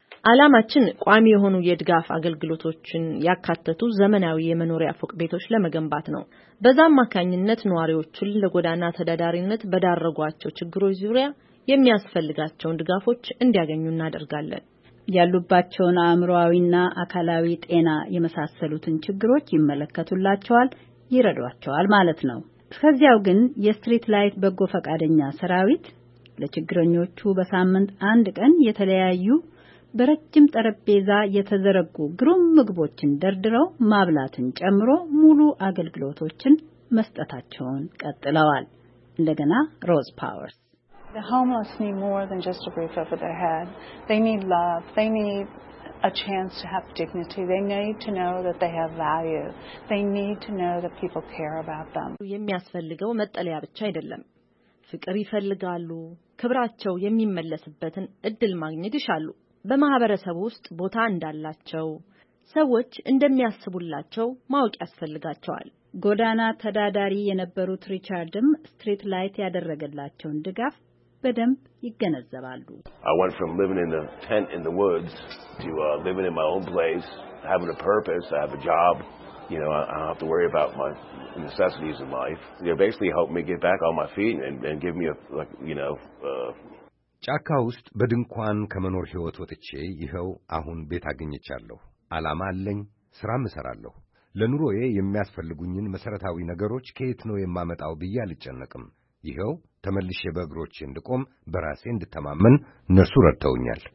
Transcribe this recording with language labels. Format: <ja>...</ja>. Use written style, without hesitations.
<am>አላማችን ቋሚ የሆኑ የድጋፍ አገልግሎቶችን ያካተቱ ዘመናዊ የመኖሪያ ፎቅ ቤቶች ለመገንባት ነው። በዛም አካኝነት ኗሪዎችን ለጎዳና ተዳዳሪነት በዳረጓቸው ችግሮች ዙሪያ የሚያስፈልጋቸውን ድጋፎች እንዲያገኙ እናደርጋለን። ያሉባቸውን አእምሮአዊና አካላዊ ጤና የመሳሰሉትን ችግሮች ይመለከቱላቸዋል፣ ይረዷቸዋል ማለት ነው። ከዚያው ግን የስትሪት ላይት በጎ ፈቃደኛ ሰራዊት ለችግረኞቹ በሳምንት አንድ ቀን የተለያዩ በረጅም ጠረጴዛ የተዘረጉ ግሩም ምግቦችን ደርድረው ማብላትን ጨምሮ ሙሉ አገልግሎቶችን መስጠታቸውን ቀጥለዋል። እንደገና ሮዝ ፓወርስ</am> <en>The homeless need more than just a roof over their head. They need love. They need a chance to have dignity. They need to know that they have value. They need to know that people care about them.</en> <am>የሚያስፈልገው መጠለያ ብቻ አይደለም። ፍቅር ይፈልጋሉ። ክብራቸው የሚመለስበትን እድል ማግኘት ይሻሉ። በማህበረሰብ ውስጥ ቦታ እንዳላቸው ሰዎች እንደሚያስቡላቸው ማወቅ ያስፈልጋቸዋል። ጎዳና ተዳዳሪ የነበሩት ሪቻርድም ስትሪት ላይት ያደረገላቸውን ድጋፍ በደንብ ይገነዘባሉ።</am> <en>I went from living in a tent in the woods to living in my own place having a purpose, I have a job, you know, I don't have to worry about my necessities in life. You know, basically helped me get back on my feet and give me a, like, you know...</en> <am>ጫካ ውስጥ በድንኳን ከመኖር ህይወት ወጥቼ ይኸው አሁን ቤት አገኘቻለሁ። አላማ አለኝ፣ ስራም እሰራለሁ። ለኑሮዬ የሚያስፈልጉኝን መሰረታዊ ነገሮች ከየት ነው የማመጣው ብዬ አልጨነቅም። ይኸው ተመልሼ በእግሮቼ እንድቆም በራሴ እንድተማመን ነርሱ ረድተውኛል።</am>